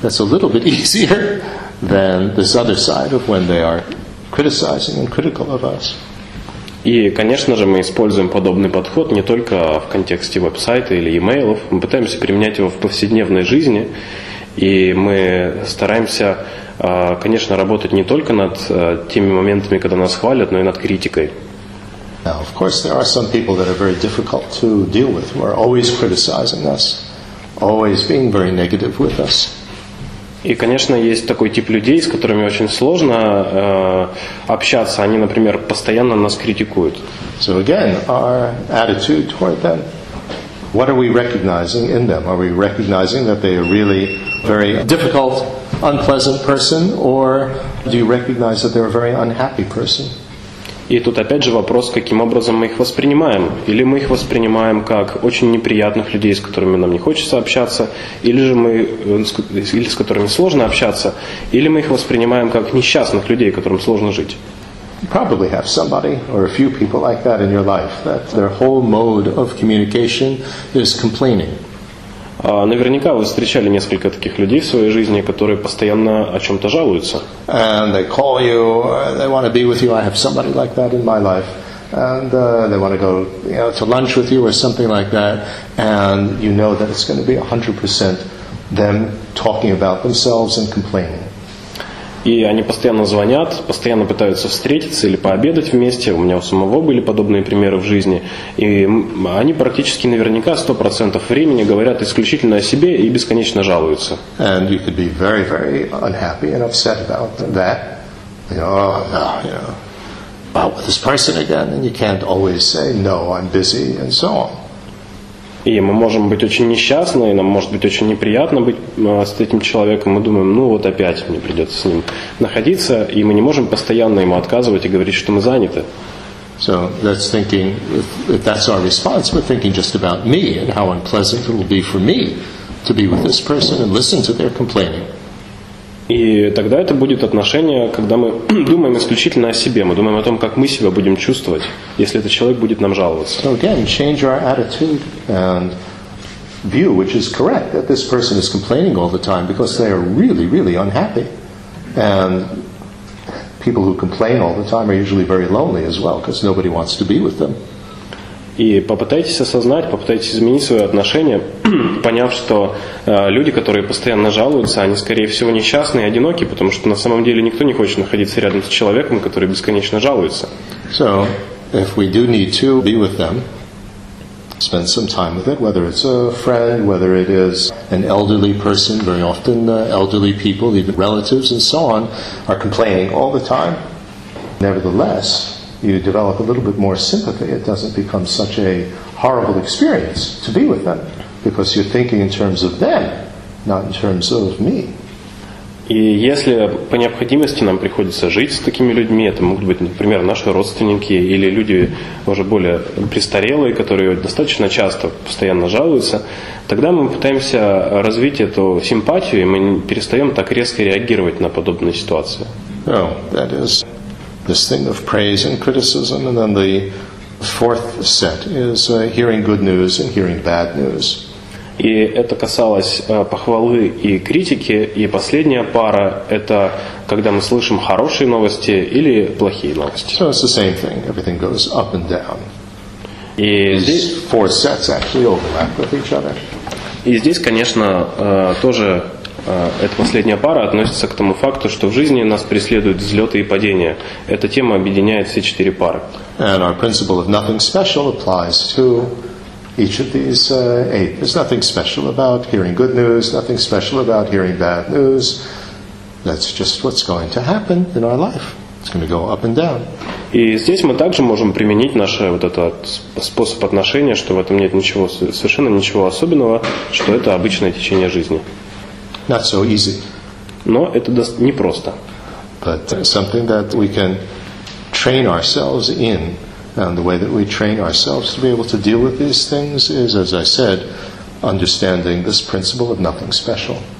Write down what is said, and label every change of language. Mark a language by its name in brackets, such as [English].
[English] That's a little bit easier than this other side of when they are criticizing and critical of us. [Russian] И, конечно же, мы используем подобный подход не только в контексте веб-сайта или имейлов. Мы пытаемся применять его в повседневной жизни. И мы стараемся, конечно, работать не только над теми моментами, когда нас хвалят, но и над критикой. [English] Now, of course, there are some people that are very difficult to deal with, who are always criticizing us, always being very negative with us. [Russian] И, конечно, есть такой тип людей, с которыми очень сложно общаться. Они, например, постоянно нас критикуют. [English] So again, our attitude toward them, what are we recognizing in them? Are we recognizing that they are really very difficult, unpleasant person, or do you recognize that they're a very unhappy person? [Russian] И тут опять же вопрос, каким образом мы их воспринимаем. Или мы их воспринимаем как очень неприятных людей, с которыми нам не хочется общаться, или с которыми сложно общаться, или мы их воспринимаем как несчастных людей, которым сложно жить. [English] You probably have somebody or a few people like that in your life, that their whole mode of communication is complaining. [Russian] Наверняка вы встречали несколько таких людей в своей жизни, которые постоянно о чем-то жалуются. [English] And they call you, they want to be with you. I have somebody like that in my life. And they want to go, you know, to lunch with you or something like that. And you know that it's going to be 100% them talking about themselves and complaining. [Russian] И они постоянно звонят, постоянно пытаются встретиться или пообедать вместе. У меня у самого были подобные примеры в жизни. И они практически наверняка 100% времени говорят исключительно о себе и бесконечно жалуются. [English] And you could be very, very unhappy and upset about that. You know, oh, no, you know, about with this person again, and you can't always say, no, I'm busy, and so on. [Russian] И мы можем быть очень несчастны, и нам может быть очень неприятно быть с этим человеком. Мы думаем, ну вот опять мне придется с ним находиться, и мы не можем постоянно ему отказывать и говорить, что мы заняты. [English] So that's thinking, if that's our response, we're thinking just about me and how unpleasant it will be for me to be with this person and listen to their complaining. [Russian] И тогда это будет отношение, когда мы думаем исключительно о себе. Мы думаем о том, как мы себя будем чувствовать, если этот человек будет нам жаловаться. [English] So again, change our attitude and view, which is correct, that this person is complaining all the time because they are really, really unhappy. And people who complain all the time are usually very lonely as well, because nobody wants to be with them. [Russian] И попытайтесь осознать, попытайтесь изменить свое отношение, поняв, что люди, которые постоянно жалуются, они, скорее всего, несчастны и одиноки, потому что на самом деле никто не хочет находиться рядом с человеком, который бесконечно жалуется. [English] So, if we do need to be with them, spend some time with it, whether it's a friend, whether it is an elderly person, very often elderly people, even relatives and so on, are complaining all the time. Nevertheless, you develop a little bit more sympathy. It doesn't become such a horrible experience to be with them, because you're thinking in terms of them, not in terms of me. [Russian] И если по необходимости нам приходится жить с такими людьми, это могут быть, например, наши родственники или люди уже более престарелые, которые достаточно часто постоянно жалуются, тогда мы пытаемся развить эту симпатию, и мы перестаем так резко реагировать на подобные ситуации. [English] Oh, that is this thing of praise and criticism, and then the fourth set is hearing good news and hearing bad news. [Russian] И это касалось похвалы и критики, и последняя пара — это когда мы слышим хорошие новости или плохие новости. [English] So it's the same thing. Everything goes up and down. [Russian] И [English] these four sets actually overlap with each other. [Russian] И здесь, конечно, тоже эта последняя пара относится к тому факту, что в жизни нас преследуют взлеты и падения. Эта тема объединяет все четыре пары. [English] And our principle of nothing special applies to each of these eight. There's nothing special about hearing good news, nothing special about hearing bad news. That's just what's going to happen in our life. It's going to go up and down. [Russian] И здесь мы также можем применить наш вот этот способ отношения, что в этом нет ничего, совершенно ничего особенного, что это обычное течение жизни. [English] Not so easy. [Russian] Но это не просто. [English] But something that we can train ourselves in, and the way that we train ourselves to be able to deal with these things is, as I said, understanding this principle of nothing special.